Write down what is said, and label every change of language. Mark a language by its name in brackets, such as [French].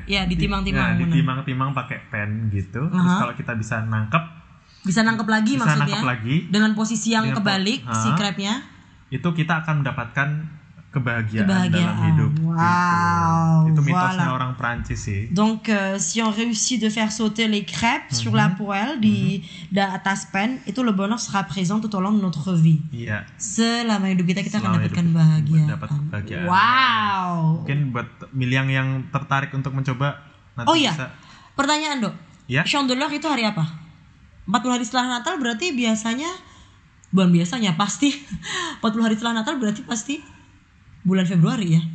[Indonesian] Iya, ditimang-timang. Ya, ditimang-timang pakai pen gitu. Terus kalau kita bisa nangkep lagi dengan posisi yang kebalik si crepe-nya, itu kita akan mendapatkan kebahagiaan dalam hidup. Wow. Gitu. Itu mitosnya orang Perancis sih. [French] Donc si on réussit de faire sauter les crêpes sur la poêle [Indonesian] di atas pan, itu [French] le bonheur sera présent tout au long de notre vie. [Indonesian] Iya. Selama hidup kita akan mendapatkan bahagia. Wow. Mungkin buat Miliang yang tertarik untuk mencoba nanti bisa. Pertanyaan, Dok. Iya. Chandeleur itu hari apa? 40 hari setelah Natal berarti biasanya bulan biasanya pasti 40 hari setelah Natal berarti pasti bulan Februari ya?